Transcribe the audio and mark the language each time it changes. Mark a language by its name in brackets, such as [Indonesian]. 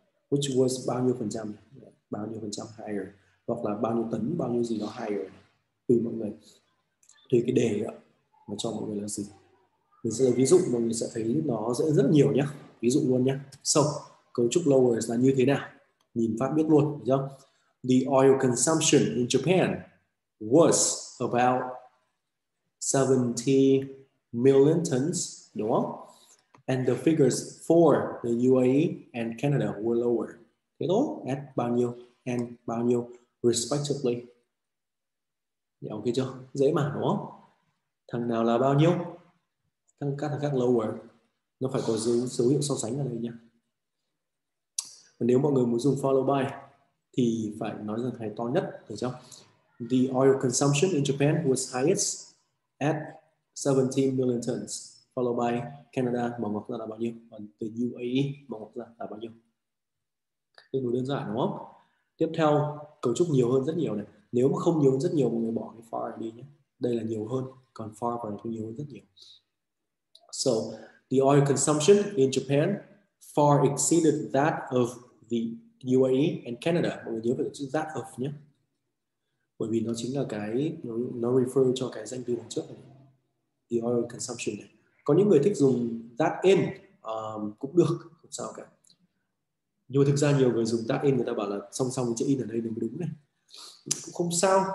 [English] Which was [Vietnamese] bao nhiêu phần trăm higher, hoặc là bao nhiêu tấn, bao nhiêu gì đó higher, tùy mọi người, tùy cái đề đó mà cho mọi người là gì. Mình sẽ là ví dụ, mọi người sẽ thấy nó dễ rất nhiều nhé, ví dụ luôn nhé. So, cấu trúc lower là như thế nào, nhìn phát biết luôn, được chưa? [English] The oil consumption in Japan was about 70 million tons, [Vietnamese] đúng không? [English] And the figures for the UAE and Canada were lower. [Vietnamese] Thế đó, add bao nhiêu and bao nhiêu respectively. Nhớ ok chưa? Dễ mà đúng không? Thằng nào là bao nhiêu? Thằng khác lower. Nó phải có dấu hiệu so sánh ở đây nha. Và nếu mọi người muốn dùng follow by thì phải nói rằng thằng to nhất, được chưa? [English] The oil consumption in Japan was highest at 17 million tons, followed by Canada [Vietnamese] mở ngoặc ra là bao nhiêu, còn [English] the UAE [Vietnamese] mở ngoặc ra là bao nhiêu. Tương đối đơn giản đúng không? Tiếp theo, cấu trúc nhiều hơn rất nhiều này. Nếu mà không nhiều hơn rất nhiều, mọi người bỏ cái far đi nhé. Đây là nhiều hơn, còn far còn không nhiều hơn rất nhiều. [English] So, the oil consumption in Japan far exceeded that of the UAE and Canada. [Vietnamese] Mọi người nhớ về chữ that of nhé, bởi vì nó chính là cái nó refer cho cái danh từ đằng trước này, [English] the oil consumption [Vietnamese] này. Có những người thích dùng that in cũng được, không sao cả. Nhưng mà thực ra nhiều người dùng that in, người ta bảo là song song chữ in ở đây đúng đúng này, cũng không sao.